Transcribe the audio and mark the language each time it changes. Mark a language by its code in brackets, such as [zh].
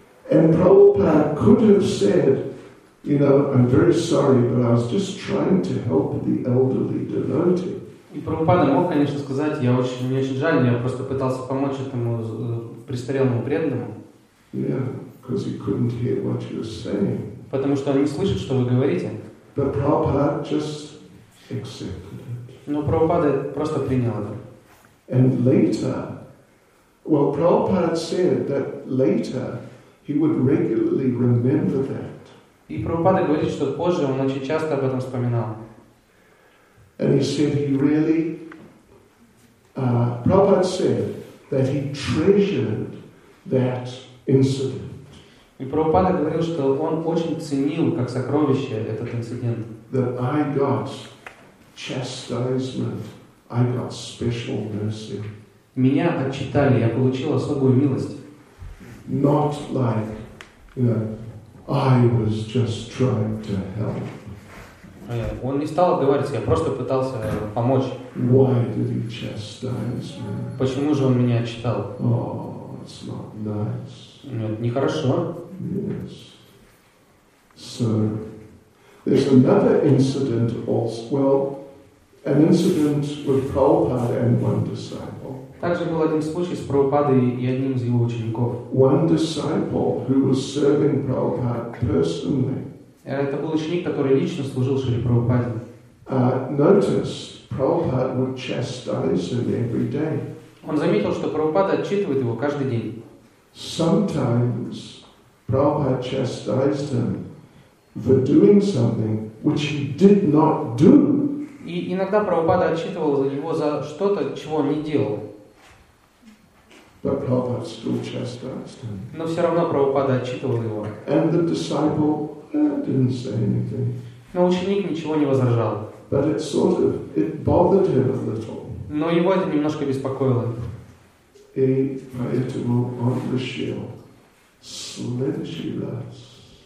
[en] And Prabhupada could have said, you know, I'm very sorry, but I was just trying to help the elderly devotee. [ru] И Прабхупада мог, конечно, сказать, я очень, мне очень жаль, я просто пытался помочь этому престарелому преданному. [en] Yeah, because he couldn't hear what you were saying. [ru] Потому что он не слышит, что вы говорите. [en] But Prabhupada just accepted it. [ru] Но Прабхупада просто принял это. [en] And later, well, Prabhupada said that later he would regularly remember that. [ru] И Прабхупада говорит, что позже он очень часто об этом вспоминал. [en] And he said he really, Prabhupada said that he treasured that incident. [ru] И Прабхупада говорил, что он очень ценил как сокровище этот инцидент. [en] That I got chastisement. I got special mercy. [ru] Меня отчитали, я получил особую милость. [en] Not like, you know, I was just trying to help. [ru] Он не стал говорить, я просто пытался помочь. [en] Why did he chastise me? [ru] Почему же он меня отчитал? [en] Oh, it's not nice. [ru] Нет, нехорошо. [en] Yes. So, there's another incident also. Well, An incident with Prabhupada and one disciple. [ru] Также был один случай с Прабхупадой и одним из его учеников. [en] One disciple who was serving Prabhupada personally. [ru] Это был ученик, который лично служил Шри Прабхупаде. [en] Notice Prabhupada would chastise him every day. [ru] Он заметил, что Прабхупада отчитывает его каждый день. [en] Sometimes Prabhupada chastised him for doing something which he did not do. [ru] И иногда Прабхупада отчитывал его за что-то, чего он не делал. [en] But Prabhupada still chastised him. [ru] Но все равно Прабхупада отчитывал его. [en] And the disciple didn't say anything. [ru] Но ученик ничего не возражал. [en] But it sort of, it bothered him a little. [ru] Но его это немножко беспокоило. И поэтому он решил следующий раз.